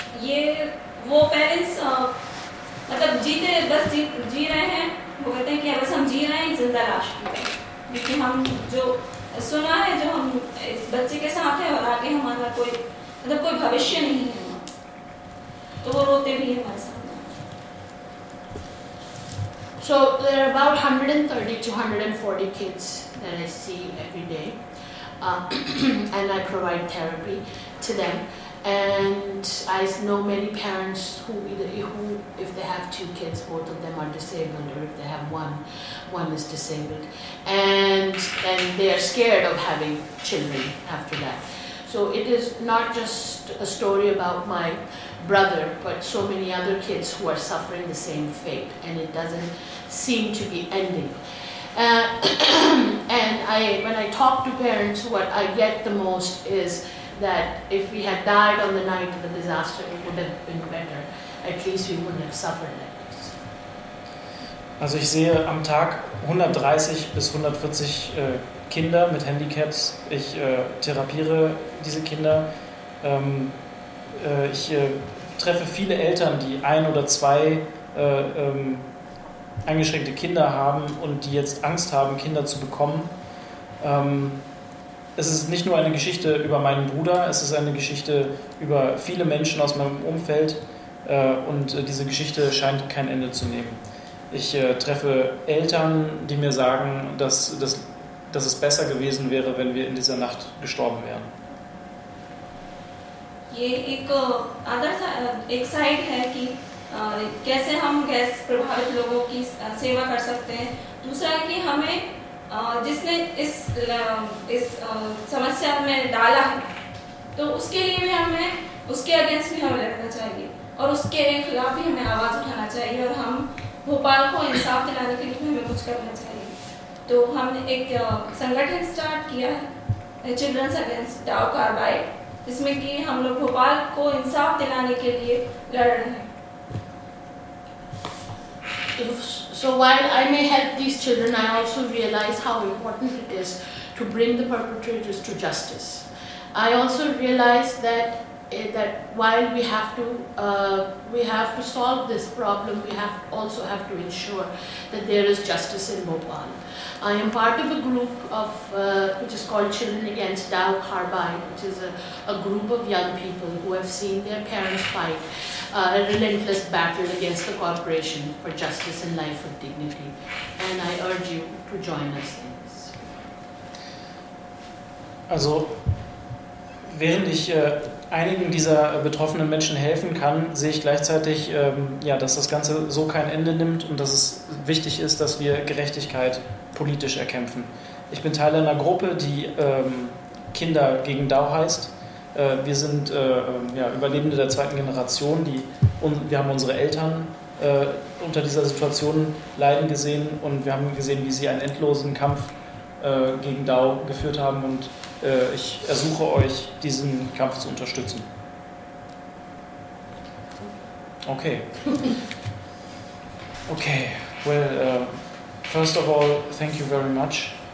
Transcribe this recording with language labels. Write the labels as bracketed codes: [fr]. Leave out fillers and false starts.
[hi] ये वो पेरेंट्स मतलब जीते बस जी रहे हैं वो कहते हैं कि बस हम जी रहे हैं जिंदा लाश की तरह क्योंकि हम जो सुना है जो हम इस बच्चे के साथ है और आगे हमारा कोई मतलब कोई भविष्य नहीं है तो वो रोते भी हैं हमारे साथ [en] So there are about 130 to 140 kids that I see every day and I provide therapy to them and I know many parents who if they have two kids both of them are disabled or if they have one is disabled and they are scared of having children after that. So it is not just a story about my brother but so many other kids who are suffering the same fate and it doesn't seem to be ending. When I talk to parents, what I get the most is that if we had died on the night of the disaster, it would have been better. At least we wouldn't have suffered like this. [de] Also ich sehe am Tag 130 bis 140 Kinder mit Handicaps. Ich therapiere diese Kinder. Ich treffe viele Eltern, die ein oder zwei eingeschränkte Kinder haben und die jetzt Angst haben, Kinder zu bekommen. Es ist nicht nur eine Geschichte über meinen Bruder, es ist eine Geschichte über viele Menschen aus meinem Umfeld und diese Geschichte scheint kein Ende zu nehmen. Ich treffe Eltern, die mir sagen, dass es besser gewesen wäre, wenn wir in dieser Nacht gestorben wären. [en] Yeah. [hi] ये एक other एक side है कि कैसे हम gas प्रभावित लोगों की सेवा कर सकते हैं. दूसरा कि हमें जिसने इस समस्या में डाला है तो उसके लिए भी हमें उसके अगेंस्ट भी हमें लड़ना चाहिए और उसके खिलाफ भी हमें आवाज उठाना चाहिए और हम भोपाल को इंसाफ दिलाने के लिए हमें कुछ करना चाहिए. तो हमने एक संगठन स्टार्ट किया है चिल्ड्रंस अगेंस्ट डाउ कार्बाइड, जिसमें कि हम लोग भोपाल को इंसाफ दिलाने के लिए लड़ रहे हैं. [en] So while I may help these children, I also realize how important it is to bring the perpetrators to justice. I also realize that while we have to solve this problem, we have also have to ensure that there is justice in Bhopal. I am part of a group of which is called Children Against Dow Carbide, which is a group of young people who have seen their parents fight a relentless battle against the corporation for justice and life with dignity. And I urge you to join us in this. [de] Also, während ich einigen dieser betroffenen Menschen helfen kann, sehe ich gleichzeitig, dass das Ganze so kein Ende nimmt und dass es wichtig ist, dass wir Gerechtigkeit politisch erkämpfen. Ich bin Teil einer Gruppe, die Kinder gegen Dau heißt. Wir sind Überlebende der zweiten Generation. Wir haben unsere Eltern unter dieser Situation leiden gesehen und wir haben gesehen, wie sie einen endlosen Kampf gegen Dau geführt haben. Und ich ersuche euch, diesen Kampf zu unterstützen. [en] Okay. Okay, well, first of all, thank you very much.